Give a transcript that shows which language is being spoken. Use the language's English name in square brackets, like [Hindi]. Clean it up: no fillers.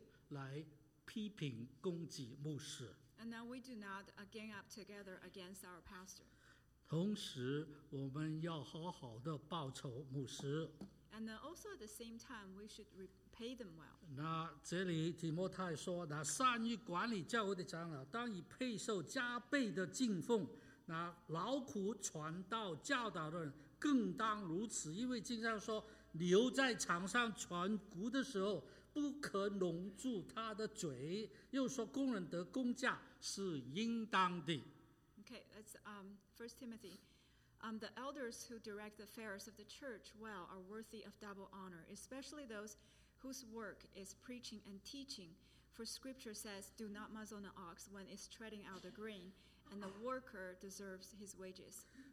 [Chinese] 也不需要等待一般人跟你一起同意见来批评攻击牧师。 [English] And then we do not gang up together against our pastor. [Chinese] 同时我们要好好的报酬牧师。 [English] And then also at the same time, we should repay them well. [Chinese] 那这里提摩太说，那善于管理教会的长老，当以配受加倍的敬奉。那劳苦传道教导的人更当如此，因为经上说，牛在场上传谷的时候，不可笼住他的嘴。又说，工人得工价是应当的。 [English] Okay, that's First Timothy. The elders who direct the affairs of the church well are worthy of double honor, especially those whose work is preaching and teaching. For Scripture says, "Do not muzzle an ox when it's treading out the grain." And the worker deserves his wages.